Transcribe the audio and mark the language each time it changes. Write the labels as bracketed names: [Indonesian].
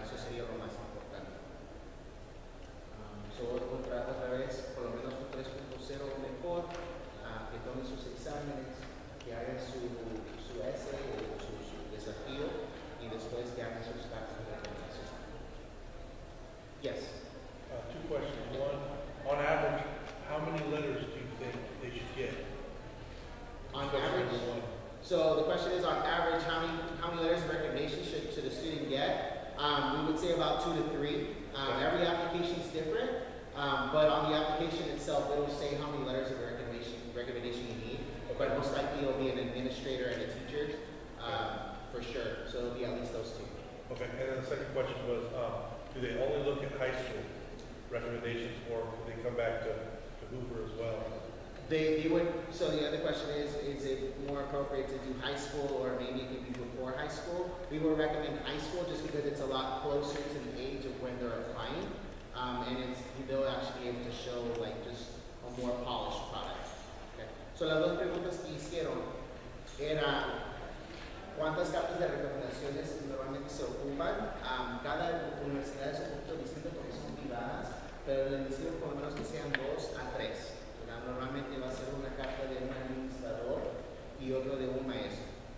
[Spanish] Eso sería lo más importante. So, otra vez, por lo menos un 3.0 o mejor, que tomen sus exámenes, que hagan su essay o su desafío y después que hagan sus cartas de recomendación. [English] Yes. Two questions. One, on average, how many letters do you think they should get? On average? So the question is, on average, how many letters of recommendation should the student get? We would say about 2 to 3. Every application is different, but on the application itself, it will say how many letters of recommendation you need. But most likely, it will be an administrator and a teacher, for sure. So it will be at least those two. Okay, and then the second question was, do they only look at high school recommendations, or can they come back to Hoover as well? They would. So the other question is it more appropriate to do high school or maybe it could be before high school? We would recommend high school just because it's a lot closer to the age of when they're applying, and it's they'll actually be able to show like just a more polished product. Okay. [Spanish] So las dos preguntas que hicieron era cuántas cartas de recomendaciones normalmente se ocupan. Cada universidad es un poquito distinto porque son privadas, pero les decimos por lo menos que sean 2 a 3. Normalmente va a ser una carta de un administrador y otro de un maestro.